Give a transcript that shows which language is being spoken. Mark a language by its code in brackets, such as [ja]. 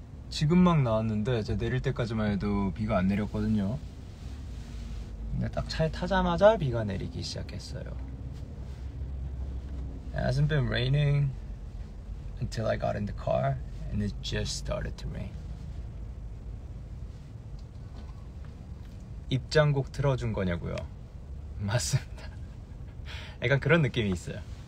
[ko] 지금 막 나왔는데 제가 내릴 때까지만 해도 비가 안 내렸거든요. 근데 딱 차에 타자마자 비가 내리기 시작했어요. [en] It hasn't been raining until I got in the car, and it just started to rain. [ko] 입장곡 틀어준 거냐고요? 맞습니다. 약간 그런 느낌이 있어요.